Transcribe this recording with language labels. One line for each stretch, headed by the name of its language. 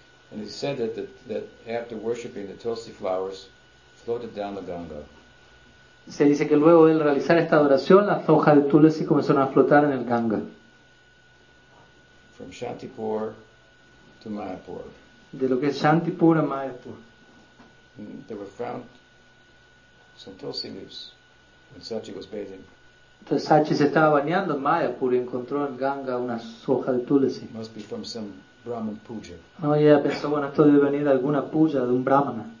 English: And he said that after worshipping the Tulsi flowers floated down the Ganga.
Spanish: Se dice que luego de él realizar esta adoración, las hojas de tulsi comenzaron a flotar en el Ganga.
English: From Shantipur to Mayapur.
Spanish: De lo que es Shantipur a Mayapur.
English: There were found some tulsi leaves when Sachi was bathing.
Spanish: Entonces Sachi se estaba bañando en Mayapur y encontró en Ganga una hoja de tulsi.
English: Must be from some Brahman puja.
Spanish: No, y ella pensó, bueno, esto debe venir de alguna puja de un brahmana.